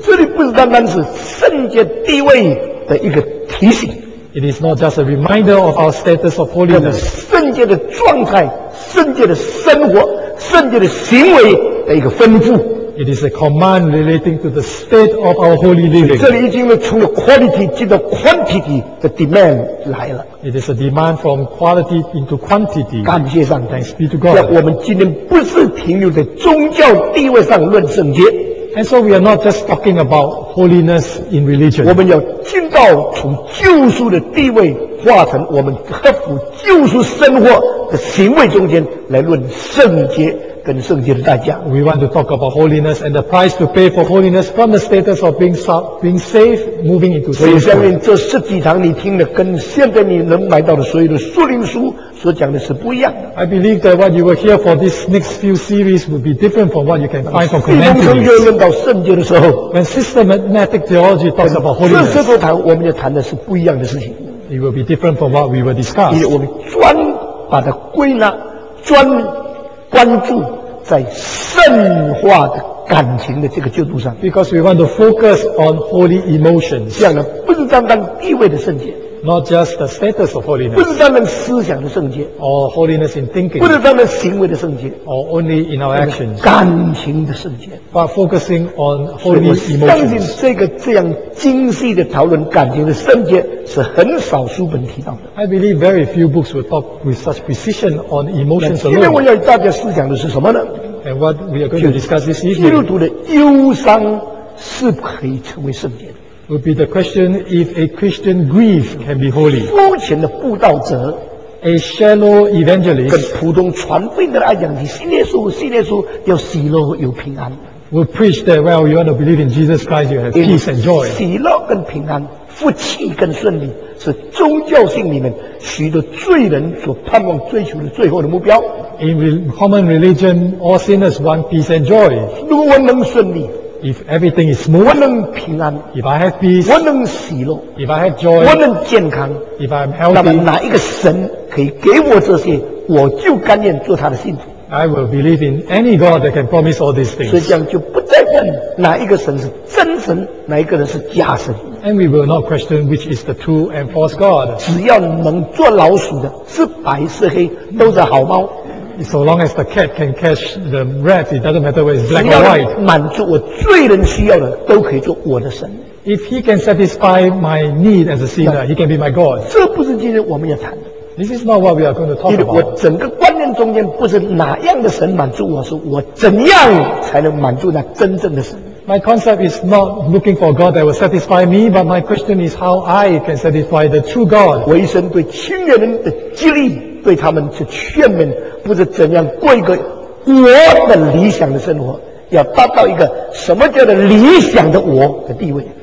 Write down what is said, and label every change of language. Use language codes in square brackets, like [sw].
[zh] 这里不是单单是圣洁地位的一个提醒， [en] It is not just a reminder of our status of holiness. [zh] 圣洁的状态、圣洁的生活、圣洁的行为的一个吩咐。 [en] It is a command relating to the state of our holy living. [zh] 这里已经从了 quality 进到 quantity 的 demand 来了。 [en] It is a demand from quality into quantity. [zh] 感谢上帝。 [en] Thanks be to God. [zh] 我们今天不是停留在宗教地位上论圣洁。 [en] And so we are not just talking about holiness in religion. [zh] 我们要进到从救赎的地位化成我们克服救赎生活的行为中间来论圣洁。跟圣洁的代价。 [en] We want to talk about holiness and the price to pay for holiness from the status of being safe, moving into safety. [zh] 所以下面这十几堂你听的跟现在你能买到的所有的属灵书所讲的是不一样的。 [en] I believe that what you will hear for this next few series will be different from what you can find from commentaries. [zh] 弟兄们论到圣洁的时候 [en] ，When systematic theology talks about holiness， [zh] 这时候谈我们要谈的是不一样的事情。 [en] It will be different from what we will discuss. [zh] 因为我们专把它归纳专。关注在圣化的感情的这个角度上 [en] ，because we want to focus on holy emotions， [zh] 这样呢，不是单单地位的圣洁 [en] ，not just the status of holiness， [zh] 不是单单思想的圣洁 [en] ，or holiness in thinking， [zh] 不是单单行为的圣洁 [en] ，or only in our actions， [zh] 感情的圣洁 [en] ，but focusing on holy emotions。 [zh] 我相信这个这样精细的讨论感情的圣洁是很少书本提到的。 [en] I believe very few books will talk with such precision on emotions alone. [zh] 今天我要大家思想的是什么呢？ [en] And what we are going to discuss this evening. [zh] 基督徒的忧伤是可以成为圣洁的。 [en] Would be the question if a Christian grief can be holy. [zh] 肤浅的布道者 [en] ，a shallow evangelist， [zh] 跟普通传福音的来讲，你信耶稣，信耶稣要喜乐有平安。 [en] Will preach that well, you want to believe in Jesus Christ, you have peace and joy. [zh] 喜乐跟平安。福气跟顺利是宗教性里面许多罪人所盼望追求的最后的目标。 [en] In common religion, all sinners want peace and joy. [zh] 如果我能顺利 [en] ，if everything is smooth, [zh] 我能平安 [en] ；if I have peace, [zh] 我能喜乐 [en] ；if I have joy, [zh] 我能健康 [en] ；if I am healthy, [zh] 那么哪一个神可以给我这些，我就甘愿做他的信徒。 [en] I will believe in any God that can promise all these things. [zh] 所以这样就不再问哪一个神是真神，哪一个人是假神。 [en] And we will not question which is the true and false God. [zh] 只要能做老鼠的，是白是黑，都是好猫。 [en] So long as the cat can catch the rat, it doesn't matter whether it's black or white. [zh] 只要满足我罪人需要的，都可以做我的神。 [en] If he can satisfy my need as a sinner, he can be my God. [zh] 这不是今天我们要谈的。 [en] This is not what we are going to talk about. [zh] 我整个观念中间不是哪样的神满足我，是我怎样才能满足那真正的神。 [en] My concept is not looking for God that will satisfy me, but my question is how I can satisfy the true God. [zh] 我一生对亲人们的激励，对他们去劝勉，不是怎样过一个我的理想的生活，要达到一个什么叫的理想的我的地位。